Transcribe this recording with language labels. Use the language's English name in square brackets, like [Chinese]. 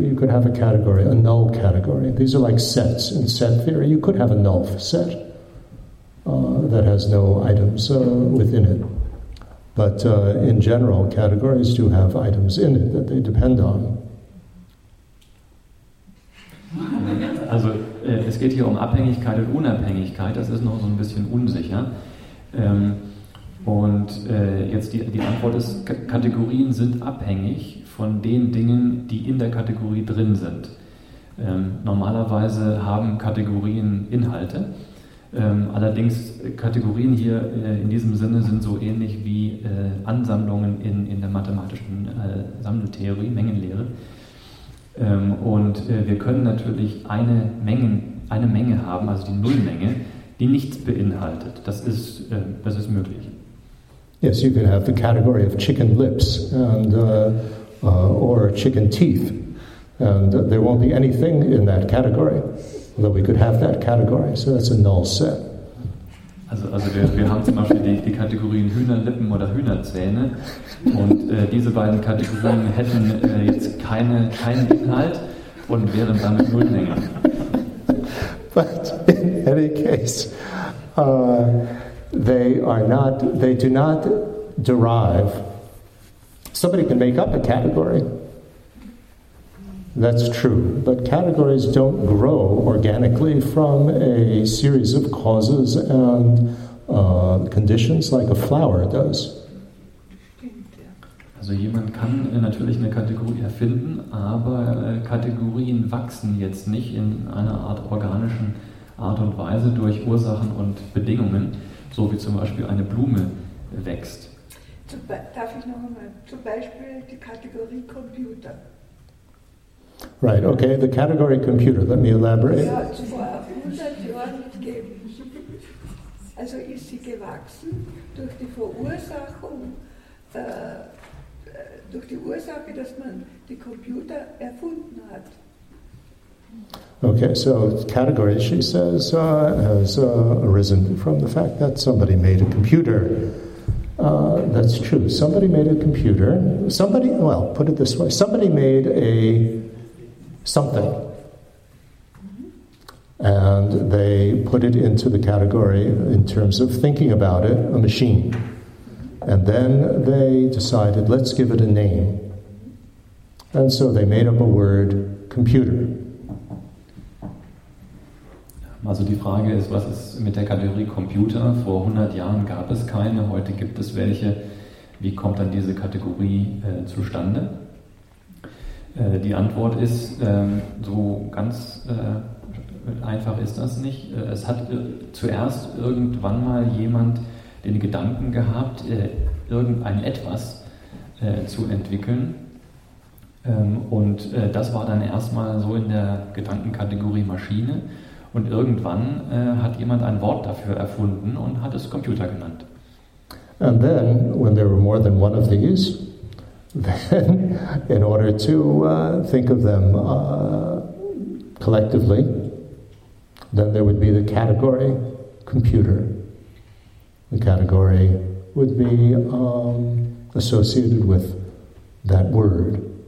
[English] You could have a category, a null category. These are like sets in set theory. You could have a null set that has no items within it. But in general, categories do have items in it that they depend on. [German] Also, es geht hier um Abhängigkeit und Unabhängigkeit. Das ist noch so ein bisschen unsicher. Und jetzt die Antwort ist, Kategorien sind abhängig von den Dingen, die in der Kategorie drin sind. Normalerweise haben Kategorien Inhalte. Allerdings, Kategorien hier in diesem Sinne sind so ähnlich wie Ansammlungen in der mathematischen Sammeltheorie, Mengenlehre. Und wir können natürlich eine Menge haben, also die Nullmenge, die nichts beinhaltet. Das ist möglich. [English] Yes, you can have the category of chicken lips and or chicken teeth, and there won't be anything in that category. Although we could have that category, so that's a null set. [German] Also wir haben zum Beispiel die Kategorien Hühnerlippen oder Hühnerzähne, und diese beiden Kategorien hätten jetzt keinen Inhalt und wären damit Nullmenge. [English] But in any case, they do not derive. Somebody can make up a category. That's true, but categories don't grow organically from a series of causes and conditions like a flower does. [German] Also jemand kann natürlich eine Kategorie erfinden, aber Kategorien wachsen jetzt nicht in einer Art organischen Art und Weise durch Ursachen und Bedingungen, so wie zum Beispiel eine Blume wächst. Darf ich noch einmal? Zum Beispiel die Kategorie Computer. [English] Right, okay, the category computer, let me elaborate. [German] Also ist sie gewachsen durch die Verursachung, durch die Ursache, dass man die Computer erfunden hat. [English] Okay, so category, she says, has arisen from the fact that somebody made a computer. That's true. Somebody made a computer. Put it this way. Somebody made a something, and they put it into the category in terms of thinking about it, a machine. And then they decided, let's give it a name. And so they made up a word, computer. [German] Also die Frage ist, was ist mit der Kategorie Computer? Vor 100 Jahren gab es keine, heute gibt es welche. Wie kommt dann diese Kategorie zustande? Die Antwort ist, so ganz einfach ist das nicht. Es hat zuerst irgendwann mal jemand den Gedanken gehabt, irgendein Etwas zu entwickeln. Und das war dann erstmal so in der Gedankenkategorie Maschine. Und irgendwann hat jemand ein Wort dafür erfunden und hat es Computer genannt. [English] And then, when there were more than one of these, then, in order to think of them collectively, then there would be the category computer. The category would be associated with that word.